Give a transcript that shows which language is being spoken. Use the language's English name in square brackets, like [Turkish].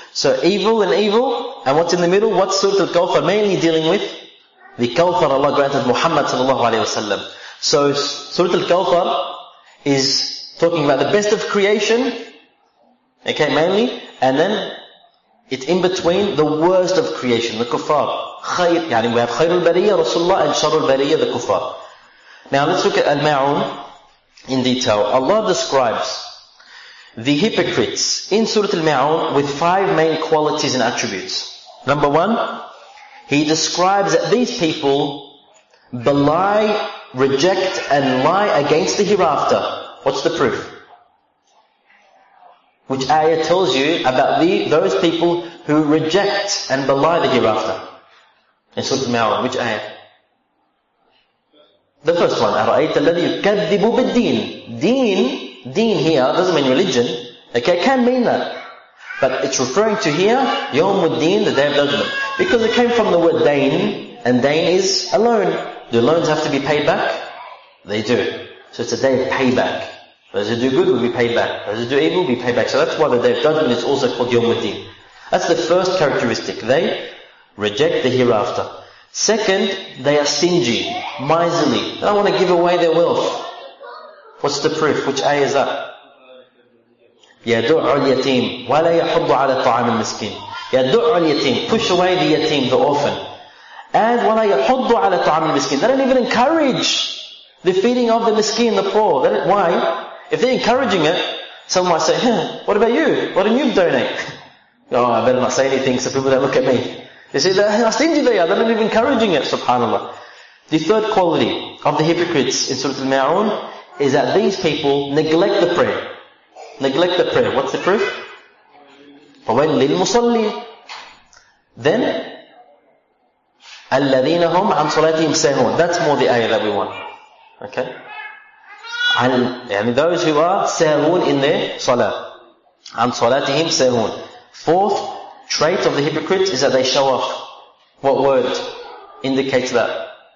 [English] So evil and evil, and what's in the middle? What's Surah Al-Kawthar mainly dealing with? The Kawthar Allah granted Muhammad sallallahu alayhi wa sallam. So Surah Al-Kawthar is talking about the best of creation, okay, mainly, and then it's in between the worst of creation, the kuffar. [Arabic] خَيْر, يعني [English] we have [Arabic] خَيْرُ الْبَرِيَّةِ رَسُولُ اللَّهِ and شَرُ الْبَرِيَّةِ [English] the kuffar. Now let's look at Al-Ma'un in detail. Allah describes the hypocrites in Surah Al-Ma'un with five main qualities and attributes. Number one, he describes that these people belie, reject and lie against the hereafter. What's the proof? Which ayah tells you about those people who reject and belie the hereafter? In Surah Al-Ma'un, which ayah? The first one, [Arabic] أَرَأَيْتَ الَّذِي يُكَذِّبُ بِالدِّينِ. [English] Deen here doesn't mean religion. Okay, it can mean that. But it's referring to here, Yawmuddin, the Day of Judgment. Because it came from the word Dain, and Dain is a loan. Do loans have to be paid back? They do. So it's a day of payback. Those who do good will be paid back. Those who do evil will be paid back. So that's why the Day of Judgment is also called Yawmuddin. That's the first characteristic. They reject the hereafter. Second, they are stingy, miserly. They don't want to give away their wealth. What's the proof? Which ayah is that? [Arabic] يَدُعُ الْيَتِيمِ وَلَا يَحُضُّ عَلَى طَعَامِ الْمِسْكِينِ. يَدُعُ الْيَتِيمِ, [English] push away the yatim, the orphan. [Arabic] And وَلَا يَحُضُّ عَلَى طَعَامِ الْمِسْكِينِ. [English] They don't even encourage the feeding of the miskin, the poor. Why? If they're encouraging it, someone might say, hey, what about you? What do you donate? Oh, I better not say anything so people don't look at me. You see, they're stingy they are. They're not even encouraging it, subhanAllah. The third quality of the hypocrites in Surah Al-Ma'un is that these people neglect the prayer. Neglect the prayer. What's the proof? [Arabic] فَوَيْلٌ لِلْمُصَلِّينَ. Then, الَّذِينَ هُمْ عَنْ صَلَاتِهِمْ سَاهُونَ. [English] That's more the ayah that we want. Okay? And those who are سَاهُونَ in their salah. [Arabic] عَنْ صَلَاتِهِمْ سَاهُونَ. [English] Fourth trait of the hypocrites is that they show off. What word indicates that?